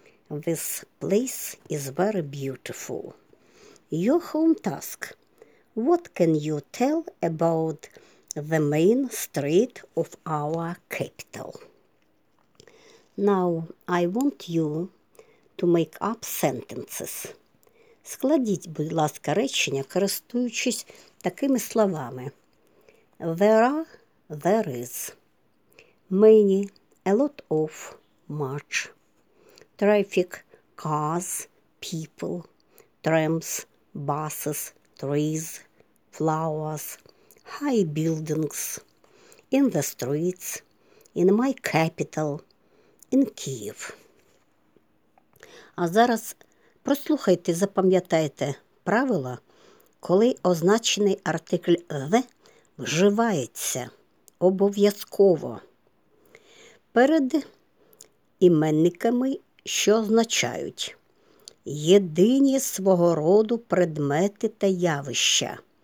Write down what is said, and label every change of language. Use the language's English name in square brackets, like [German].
[English] This place is very beautiful. Your home task. What can you tell about the main street of our capital? Now, I want you to make up sentences. [Ukrainian] Складіть, будь ласка, речення, користуючись такими словами. [English] There are, there is. Many, a lot of, much. Traffic, cars, people, trams, buses, trees, flowers, high buildings, in the streets, in my capital, in Kyiv. [Ukrainian] А зараз прослухайте, запам'ятайте правила, коли означений артикль «the» вживається обов'язково перед іменниками, що означають єдині свого роду предмети та явища.